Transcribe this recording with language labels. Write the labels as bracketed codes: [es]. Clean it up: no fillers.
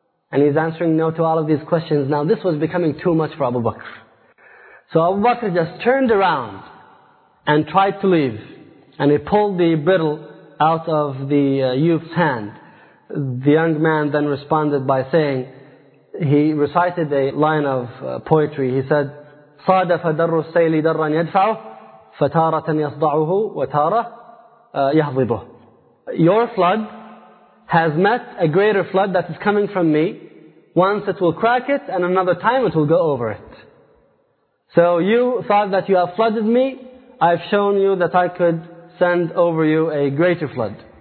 [en] And he's answering no to all of these questions. Now this was becoming too much for Abu Bakr. So Abu Bakr just turned around and tried to leave. And he pulled the bridle out of the youth's hand. The young man then responded by saying, he recited a line of poetry. He said, [ar] صَادَفَ دَرُّ السَّيْلِ دَرًّا يَدْفَعُ فَتَارَةً يَصْدَعُهُ وَتَارَ يَحْضِبُهُ. [en] Your flood has met a greater flood that is coming from me. Once it will crack it, and another time it will go over it. So you thought that you have flooded me. I've shown you that I could send over you a greater flood.